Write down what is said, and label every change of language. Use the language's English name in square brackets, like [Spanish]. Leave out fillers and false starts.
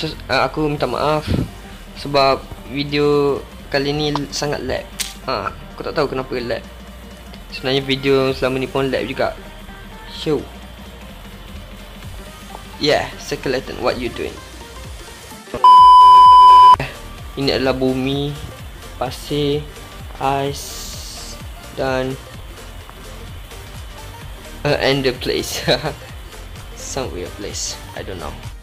[Malay] Aku minta maaf sebab video kali ni sangat lag. Aku tak tahu kenapa lag. Sebenarnya video selama ni pun lag juga. [English] So yeah, skeleton, what you doing? [Malay] Ini adalah bumi, pasir, ice dan ender place. [English] Some weird place, I don't know.